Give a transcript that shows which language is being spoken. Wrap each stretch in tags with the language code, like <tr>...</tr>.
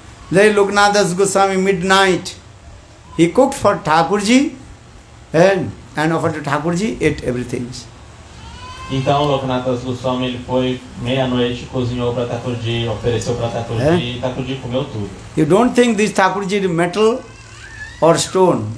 <en>Then Lokanath Das Goswami midnight, he cooked for Thakurji and offered to Thakurji, ate everything.</en> <pt>Então Lokanath Das Goswami, ele foi meia-noite, cozinhou para Thakurji, ofereceu para Thakurji, e Thakurji comeu tudo.</pt> <en>You don't think this Thakurji is metal or stone.</en>